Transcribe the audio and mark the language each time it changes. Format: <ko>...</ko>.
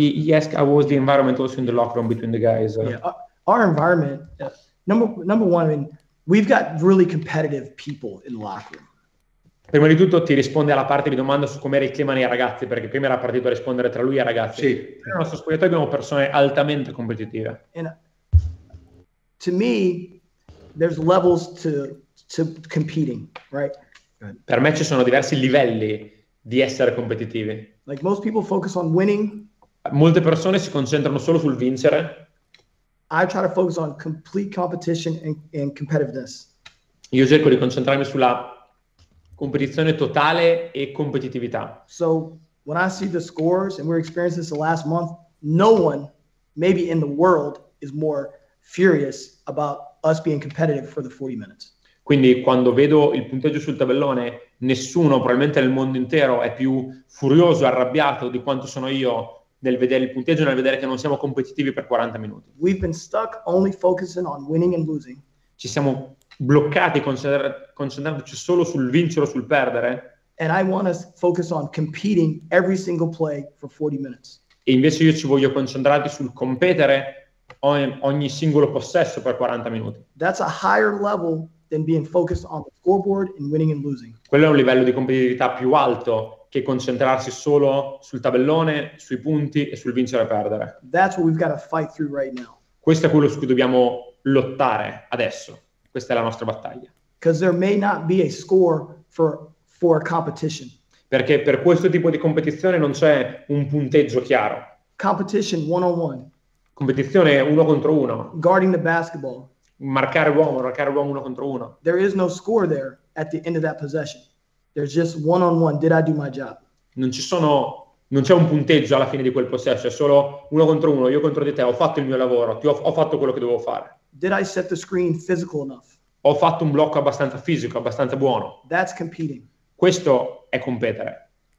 <en>Yes, I was the environment also in the locker room between the guys. Our environment, number one, I mean, we've got really competitive people in the locker room.</en> <it>Prima di tutto ti risponde alla parte di domanda su com'era il clima nei ragazzi, perché prima era partito a rispondere tra lui e i ragazzi. Sì. Nel nostro spogliatoio abbiamo persone altamente competitive.</it> <en>And to me, there's levels to competing, right?</en> <it>Per me ci sono diversi livelli di essere competitivi.</it> <en>Like most people focus on winning.</en> <it>Molte persone si concentrano solo sul vincere.</it> <en>I try to focus on complete competition and competitiveness.</en> <it>Io cerco di concentrarmi sulla competizione totale e competitività.</it> <en>So when I see the scores and we're experiencing this the last month, no one, maybe in the world, is more furious about us being competitive for the 40 minutes.</en> <it>Quindi quando vedo il punteggio sul tabellone, nessuno, probabilmente nel mondo intero, è più furioso, arrabbiato di quanto sono io nel vedere il punteggio, nel vedere che non siamo competitivi per 40 minuti.</it> <en>We've been stuck only focusing on winning and losing.</en> <it>Ci siamo bloccati concentrandoci solo sul vincere o sul perdere.</it> <en>And I want to focus on competing every single play for 40 minutes.</en> <it>E invece io ci voglio concentrarti sul competere ogni singolo possesso per 40 minuti.</it> <en>That's a higher level than being focused on the scoreboard and winning and losing.</en> <it>Quello è un livello di competitività più alto che concentrarsi solo sul tabellone, sui punti e sul vincere e perdere.</it> <en>That's what we've got to fight through right now.</en> <it>Questo è quello su cui dobbiamo lottare adesso. Questa è la nostra battaglia.</it> <en>Because there may not be a score for a competition.</en> <it>Perché per questo tipo di competizione non c'è un punteggio chiaro.</it> <en>Competition one-on-one.</en> <it>Competizione uno contro uno.</it> <en>Guarding the basketball.</en> <it>Marcare uomo uno contro uno.</it> <en>There is no score there at the end of that possession. There's just one-on-one. Did I do my job?</en> <it>Non c'è un punteggio alla fine di quel possesso. È solo uno contro uno. Io contro di te. Ho fatto il mio lavoro. Ho fatto quello che dovevo fare.</it> <en>Did I set the screen physical enough?</en> <it>ho fatto un blocco abbastanza fisico, abbastanza buono.</it> <en>That's competing.</en> <it>Questo è competere.</it>